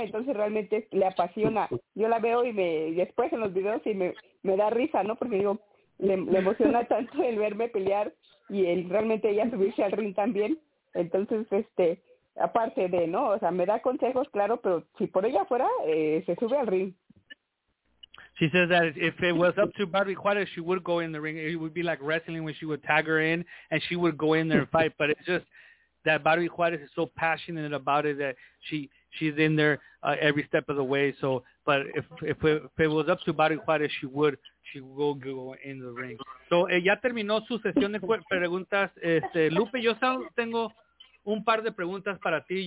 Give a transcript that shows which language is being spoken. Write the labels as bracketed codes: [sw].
[es] Entonces realmente le apasiona. Yo la veo después en los videos y me da risa, ¿no? Porque digo, le emociona tanto el verme pelear y el realmente ella subirse al ring también. Entonces, aparte de, ¿no? O sea, me da consejos, claro, pero si por ella fuera, se sube al ring. [en] She says that if it was up to Barbie Juarez, she would go in the ring. It would be like wrestling when she would tag her in and she would go in there and fight. But it's just that Barbie Juarez is so passionate about it that she's in there every step of the way. So, but if it was up to Barbie Juarez, she would go in the ring. [es] So, ya terminó su sesión de preguntas. Lupe, yo tengo un par de preguntas para ti.